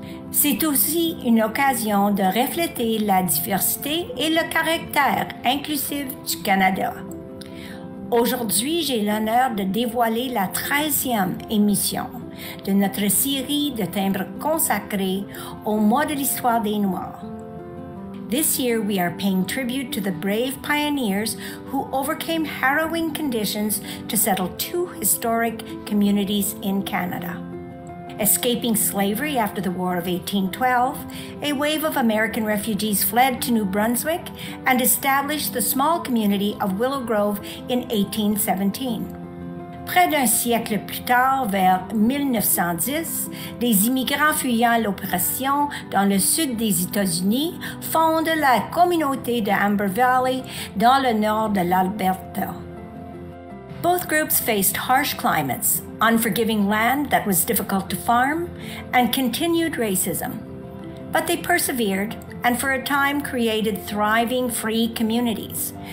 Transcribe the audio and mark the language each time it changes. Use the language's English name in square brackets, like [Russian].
[French] C'est aussi une occasion de refléter la diversité et le caractère inclusif du Canada. Aujourd'hui, j'ai l'honneur de dévoiler la 13e émission de notre série de timbres consacrés au mois de l'histoire des Noirs. [English] This year, we are paying tribute to the brave pioneers who overcame harrowing conditions to settle two historic communities in Canada. Escaping slavery after the War of 1812, a wave of American refugees fled to New Brunswick and established the small community of Willow Grove in 1817. [French] Près d'un siècle plus tard, vers 1910, des immigrants fuyant l'oppression dans le sud des États-Unis fondent la communauté de Amber Valley dans le nord de l'Alberta. [English] Both groups faced harsh climates, unforgiving land that was difficult to farm, and continued racism. But they persevered and for a time created thriving free communities.